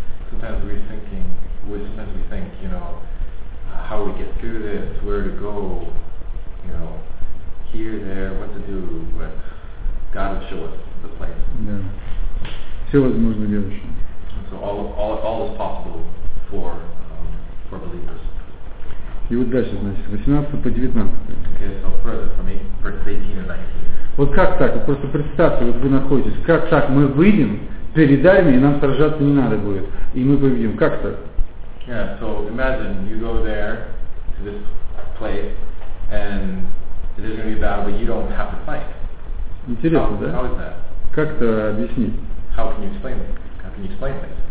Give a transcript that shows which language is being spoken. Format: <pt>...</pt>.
<en>Sometimes we're thinking, how we get through this, where to go, here, there, what to do, but God will show us the place.</en> <ru>Да. Все возможно верующим.</ru> <en>So all is possible for believers.</en> <ru>И вот дальше, значит, 18 по 19.</ru> <en>Okay, so further from 18 and 19.</en> <ru>Вот как так? Вот просто представьте, вот вы находитесь, как так? Мы выйдем перед армией, нам сражаться не надо будет. И мы победим. Как так?</ru> <en>Yeah, so imagine you go there to this place, and it is gonna be a battle, but you don't have to fight.</en> <ru>Интересно,</ru> <en>how,</en> <ru>да?</ru> <en>How is that?</en> <ru>Как это объяснить?</ru> <en>How can you explain it? How can you explain this?</en>